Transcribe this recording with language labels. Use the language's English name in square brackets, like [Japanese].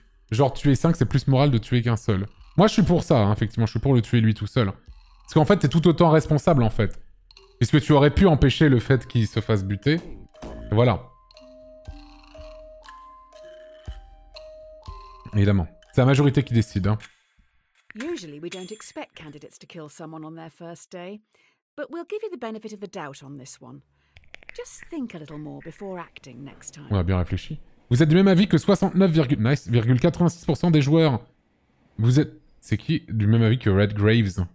[French] Genre, tuer 5, c'est plus moral de tuer qu'un seul. Moi, je suis pour ça, hein, effectivement. Je suis pour le tuer, lui, tout seul. Parce qu'en fait, t'es tout autant responsable, en fait. Puisque tu aurais pu empêcher le fait qu'il se fasse buter. Voilà. Évidemment. C'est la majorité qui décide. Hein. [English] Usually we don't expect candidates to kill someone on their first day, but we'll give you the benefit of the doubt on this one. Just think a little more before acting next time. [French] On a bien réfléchi. Vous êtes du même avis que 69,86% des joueurs. Vous êtes. C'est qui du même avis que Red Graves?